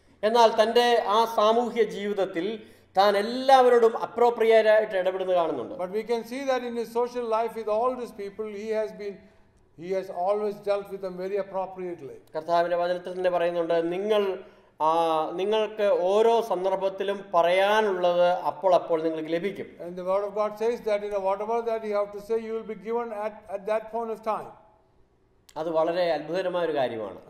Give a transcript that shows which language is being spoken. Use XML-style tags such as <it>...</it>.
<ml>എന്നാൽ തന്റെ ആ സാമൂഹ്യ ജീവിതത്തിൽ താൻ എല്ലാവരോടും അപ്രോപ്രിയേറ്റ് ആയിട്ട് ഇടപെടുന്നത് കാണുന്നുണ്ട്.</ml> <en>But we can see that in his social life with all these people he has always dealt with them very appropriately.</en> <ml>കർത്താവിന്റെ വചനത്തിൽ തന്നെ പറയുന്നുണ്ട്, നിങ്ങൾക്ക് ഓരോ സന്ദർഭത്തിലും പറയാനുള്ളത് അപ്പോൾ നിങ്ങൾക്ക് ലഭിക്കും.</ml> <en>And the word of God says that in whatever that you have to say you will be given at that point of time.</en> <ml>അത് വളരെ അത്ഭുതകരമായ ഒരു കാര്യമാണ്.</ml>